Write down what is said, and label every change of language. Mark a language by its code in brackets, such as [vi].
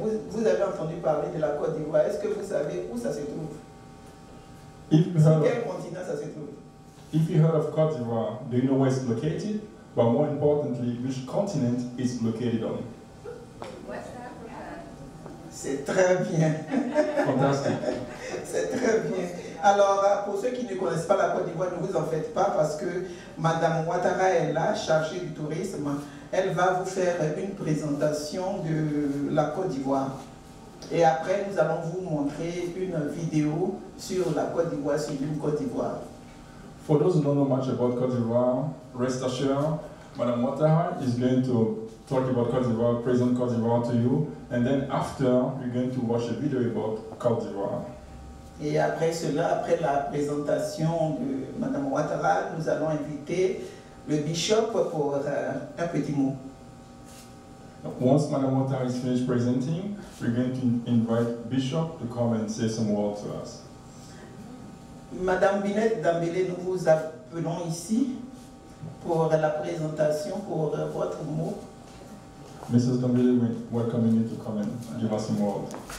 [fr] Vous avez entendu parler de la Côte d'Ivoire. Est-ce que vous savez où ça se trouve? Sur quel continent ça se trouve? [en] If you heard of Côte d'Ivoire, do you know where it's located? But more importantly, which continent it's located on? West Africa. [fr] C'est très bien. [en] Fantastic. [fr] C'est très bien. Alors, pour ceux qui ne connaissent pas la Côte d'Ivoire, ne vous en faites pas parce que Madame Ouattara est là, chargée du tourisme. Elle va vous faire une présentation de la Côte d'Ivoire. Et après, nous allons vous montrer une vidéo sur la Côte d'Ivoire, sur une Côte d'Ivoire. [en] For those who don't know much about Côte d'Ivoire, rest assured, Madame Ouattara is going to talk about Côte d'Ivoire, present Côte d'Ivoire to you, and then after, you're going to watch a video about Côte d'Ivoire. [fr] Et après cela, après la présentation de Madame Ouattara, nous allons inviter le Bishop pour un petit mot. [en] Once Madame Ouattara is finished presenting, we're going to invite Bishop to come and say some words to us. [fr] Madame Binette Dembélé, nous vous appelons ici pour la présentation, pour votre mot. [en] Mrs. Dembélé, we welcome you to come and give us some words.